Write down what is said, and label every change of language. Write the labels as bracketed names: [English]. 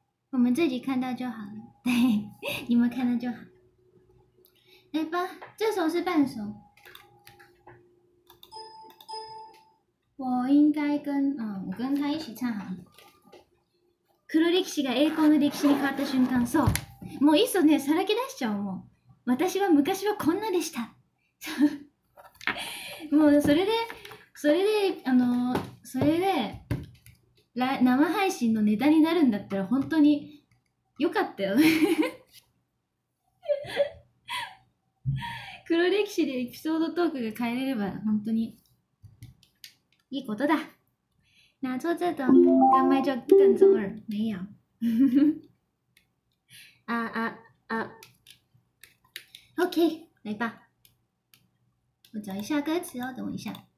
[Chinese] 我们自己看到就好了，对，你们看到就好。来吧，这首是伴奏。我应该跟我跟他一起唱好。 [Japanese] 黒歴史が栄光の歴史に変わった瞬間、そう。もういっそね、さらけ出しちゃおう、もう。私は昔はこんなでした。もうそれで、生配信のネタになるんだったら本当に良かったよね。黒歴史でエピソードトークが変えれれば本当にいいことだ。 [Chinese] 那做这种干麦就更中二，没有。啊啊啊 ！OK， 来吧。我找一下歌词哦，等我一下。